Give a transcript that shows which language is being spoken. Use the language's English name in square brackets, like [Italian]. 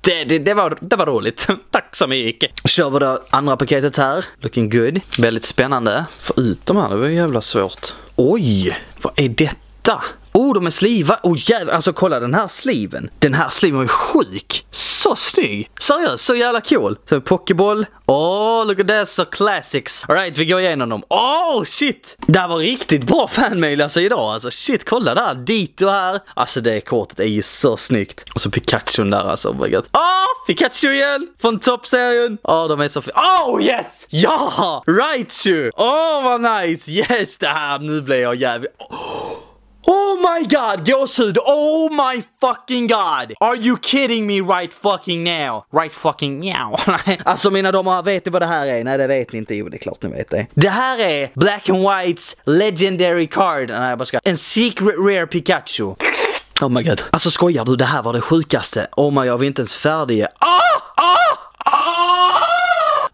[Swedish] Det var roligt. Tack så mycket. Kör vi då andra paketet här. [English] Looking good. [Swedish] Väldigt spännande. Få ut dem här, det var jävla svårt. Oj, vad är detta? Oh, de är sliva. Oh, jävlar. Alltså, kolla den här sliven. Den här sliven är ju sjuk. Så snygg. Seriöst, så jävla cool. Så en pokeball. [English] Oh, look at that, so classics. All right, [Swedish] vi går igenom dem. [English] Oh, shit. [Swedish] Det här var riktigt bra fanmail alltså idag. Alltså, shit, kolla där. Ditto här. Alltså, det kortet är ju så snyggt. Och så Pikachu där alltså. [English] Oh my god. [Swedish] Oh, Pikachu igen. Från toppserien. Oh, de är så fina. [English] Oh, yes. [Swedish] Ja, Raichu. Oh, vad nice. Yes, det här. Nu blir jag jävligt. Oh my god, gåshud. [English] Oh my fucking god. Are you kidding me right fucking now? Right fucking now. [Swedish] Alltså mina damer, vet ni vad det här är? Nej, det vet ni inte. Jo, det är klart ni vet det. Det här är Black and White's Legendary Card. Nej, jag bara ska. En Secret Rare Pikachu. [English] Oh my god. [Swedish] Alltså skojar du, det här var det sjukaste. [English] Oh my god, [Swedish] vi är inte ens färdiga. Ah! Ah! Ah!